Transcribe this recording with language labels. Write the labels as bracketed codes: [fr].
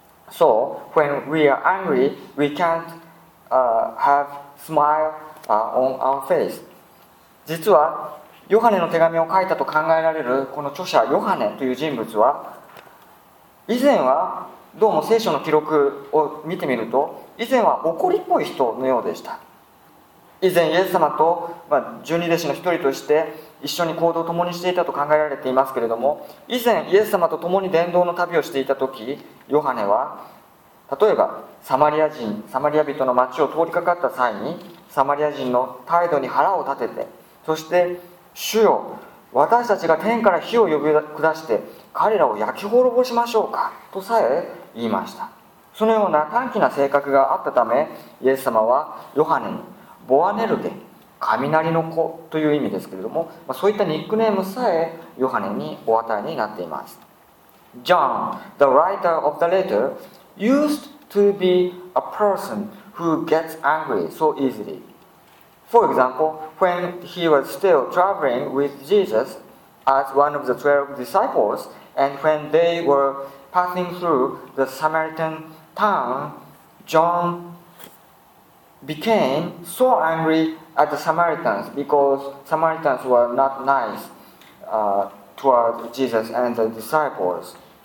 [en] So, when we are angry, we can't have smile on our face. [ja] 実は、ヨハネの手紙を書いたと考えられるこの著者、ヨハネという人物は、以前はどうも聖書の記録を見てみると、以前は怒りっぽい人のようでした。以前イエス様と十二弟子の一人として一緒に行動を共にしていたと考えられていますけれども、以前イエス様と共に伝道の旅をしていた時、ヨハネは例えばサマリア人の町を通りかかった際に、サマリア人の態度に腹を立てて、そして主よ、私たちが天から火を呼び下して彼らを焼き滅ぼしましょうかとさえ言いました。そのような短気な性格があったため、イエス様はヨハネにボアネルゲ、雷の子という意味ですけれども、まあ、そういったニックネームさえヨハネにお与えになっています。 [en] John, the writer of the letter, used to be a person who gets angry so easily. For example, when he was still traveling with Jesus as one of the 12 disciples, and when they were passing through the Samaritan town, Johnbecame so angry at the Samaritans because Samaritans were not nice toward Jesus and the disciples.